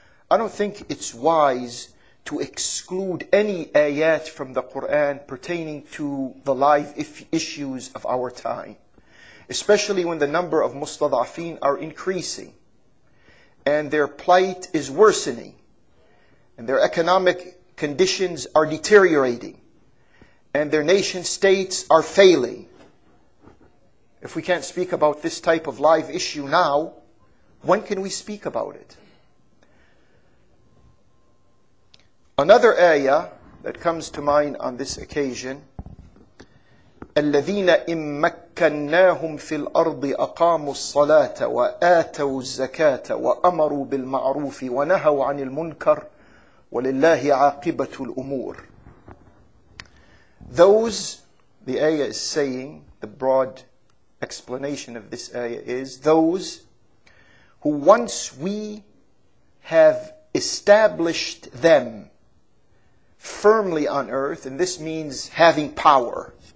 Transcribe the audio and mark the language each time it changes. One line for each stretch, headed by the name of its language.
English: I don't think it's wise to exclude any ayat from the Qur'an pertaining to the live issues of our time, especially when the number of mustad'afin are increasing and their plight is worsening and their economic conditions are deteriorating and their nation states are failing. If we can't speak about this type of live issue now, when can we speak about it? Another ayah that comes to mind on this occasion,
Arabic: الَّذِينَ إِن مَكَّنَّاهُمْ فِي الْأَرْضِ أَقَامُوا الصَّلَاةَ وَآتَوُوا الزَّكَاةَ وَأَمَرُوا بِالْمَعْرُوفِ وَنَهَوْا عَنِ الْمُنْكَرِ وَلِلَّهِ عَاقِبَةُ الْأُمُورِ.
English: Those, the ayah is saying, the broad explanation of this ayah is, those who once we have established them firmly on earth, and this means having power.